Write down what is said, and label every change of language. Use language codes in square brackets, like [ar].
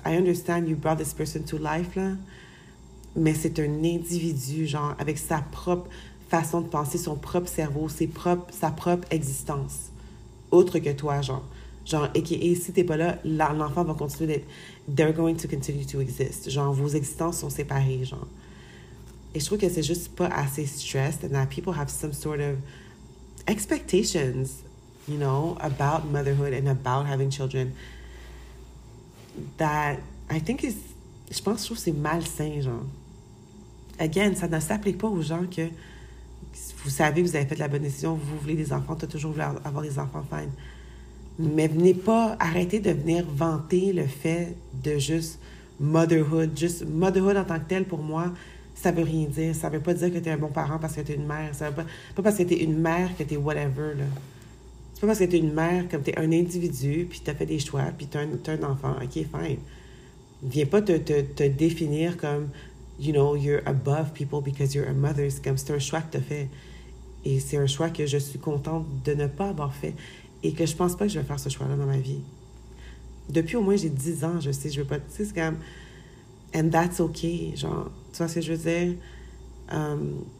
[en] I understand you brought this person to life, là. [fr] Mais c'est un individu, genre, avec sa propre... façon de penser, son propre cerveau, ses propres, sa propre existence. Autre que toi, genre. Genre, et si t'es pas là, l'enfant va continuer d'être... [en] They're going to continue to exist. Genre, [fr] vos existences sont séparées, [en] genre. [fr] Et je trouve que c'est juste pas assez [en] stressed and that people have some sort of expectations, you know, about motherhood and about having children that I think is... [fr] Je trouve que c'est malsain, genre. Again, ça ne s'applique pas aux gens que... Vous savez, vous avez fait la bonne décision, vous voulez des enfants, tu as toujours voulu avoir des enfants, fine. Mais venez pas, arrêtez de venir vanter le fait de juste motherhood en tant que tel, pour moi, ça veut rien dire. Ça veut pas dire que t'es un bon parent parce que t'es une mère. Ça veut pas parce que t'es une mère que t'es whatever, là. C'est pas parce que t'es une mère comme t'es un individu, puis t'as fait des choix, puis t'as un enfant, OK, fine. Viens pas te définir comme... [en] You know, you're above people because you're a mother. [fr] C'est comme, c'est un choix que t'as fait. Et c'est un choix que je suis contente de ne pas avoir fait. Et que je pense pas que je vais faire ce choix-là dans ma vie. Depuis au moins, j'ai 10 ans, je sais, je veux pas... Tu sais, c'est comme... [en] And that's okay, [fr] genre... Tu vois ce que je veux dire?